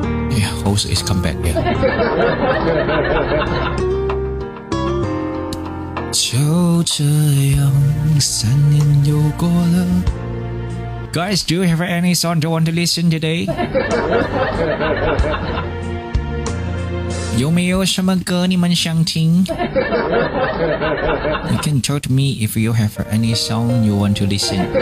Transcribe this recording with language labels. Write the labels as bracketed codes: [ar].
[en] Yeah, [zh] 好 [en] also is come back. Yeah. [zh] 就这样，三年又过了。 [en] Guys, do you have any song you want to listen today? [zh] 有没有什么歌你们想听？ [en] You can talk to me if you have any song you want to listen.